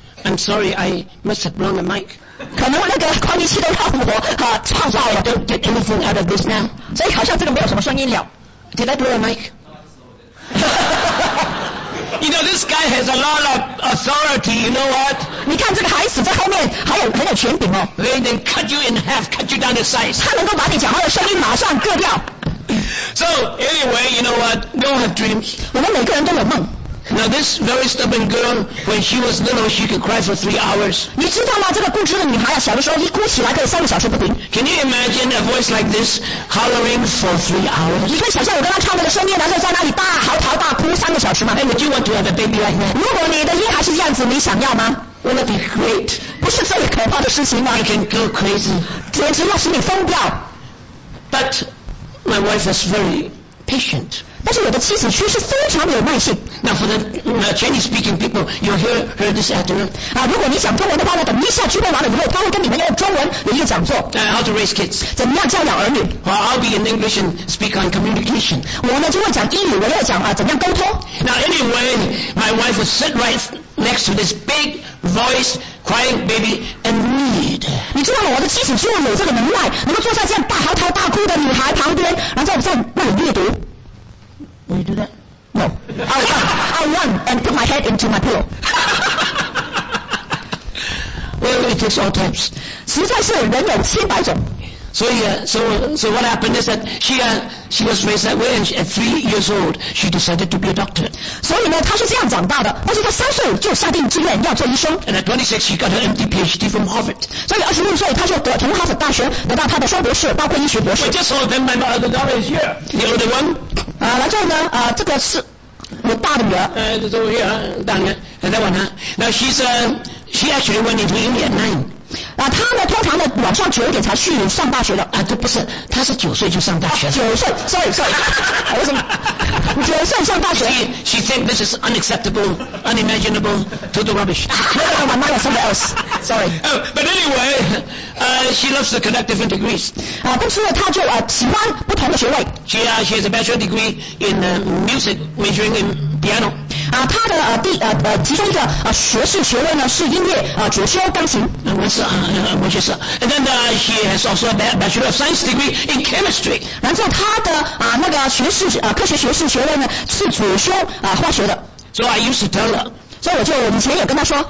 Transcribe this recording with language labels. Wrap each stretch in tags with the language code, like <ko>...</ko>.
<en>I'm sorry, I must have blown the mic.</en> <zh>可能那个扩音器都让我唱到了。</zh> <en>I don't get anything out of this now.</en> <zh>所以好像这个没有什么声音了。</zh> <en>Did I blow the mic? You know, this guy has a lot of authority, you know what?</en> <zh>你看这个孩子在后面还有很有权柄哦。</zh> <en>They can cut you in half, cut you down to size.</en> <zh>他能够把你讲话的声音马上割掉。</zh> <en>So anyway, you know what? We all have dreams.</en> <zh>我们每个人都有梦。</zh> <en>Now this very stubborn girl, when she was little, she could cry for 3 hours.</en> <zh>你知道吗？这个固执的女孩啊，小的时候一哭起来可以三个小时不停。</zh> <en>Can you imagine a voice like this hollering for 3 hours?</en> <zh>你可以想象我跟她唱那个声音，然后在那里大嚎啕大哭三个小时吗？</zh> <en>And would you want to have a baby like that?</en> <zh>如果你的婴孩是这样子，你想要吗？</zh> <en>Would it be great?</en> <zh>不是最可怕的事情吗？</zh> <en>I can go crazy.</en> <zh>简直要使你疯掉。</zh> <en>But. My wife was very patient.</en> <zh>但是我的妻子却是非常有耐性。</zh> <en>Now for the Chinese speaking people, you hear her this afternoon.</en> <zh>啊，如果你讲中文的话呢，等一下聚会完了以后，他会跟你们用中文有一个讲座。</zh> <en>How to raise kids?</en> <zh>怎么样教养儿女</zh> <en>？Well, I'll be in English and speak on communication.</en> <zh>我呢就会讲英语，我要讲啊怎么样沟通。</zh> <en>Now anyway, my wife would sit right next to this big voice crying baby and read.</en> <zh>你知道吗？我的妻子居然有这个能耐，能够坐在这样大嚎啕大哭的女孩旁边，然后在那里阅读。</zh> <en>Will you do that? No. I run and put my head into my pillow. Well, it takes all types.</en> <zh>实在是人有千百种。</zh> <en>So yeah, so what happened is that she was raised that way, and at 3 years old, she decided to be a doctor.</en> <zh>所以呢，她是这样长大的，但是她三岁就下定志愿要做医生。</zh> <en>And at 26, she got her MD PhD from Harvard.</en> <zh>所以26岁，她就得从哈佛大学得到她的双博士，包括医学博士。</zh> <en>We just saw them. My other daughter is here. The older one.</en> <zh>然后呢，这个是我大的女儿。</zh> <en>So yeah,</en> <zh>大女儿，再问她。</zh> <en>Now she actually went into uni at 9.</en> <zh>他呢通常呢晚上9点才去上大学的啊，这不是，他是9岁就上大学了。九岁 ，</zh> <en>sorry，</en> <zh>为什么？9岁上大学。</zh> <en>She said this is unacceptable, unimaginable, total rubbish. No, no, my mother, somebody else. Sorry. Oh, but anyway, she loves the connect different degrees.</en> <zh>但是呢，他就喜欢不同的学位。</zh> <en>She has a bachelor degree in music, majoring in piano.</en> <zh>他的其中一个学士学位呢是音乐主修钢琴。</zh> <en>And then she has also a bachelor of science degree in chemistry.</en> <zh>然后她的那个学士科学学士学位呢是主修化学的。</zh> <en>So I used to tell her.</en> <zh>所以我就以前也跟她说。</zh>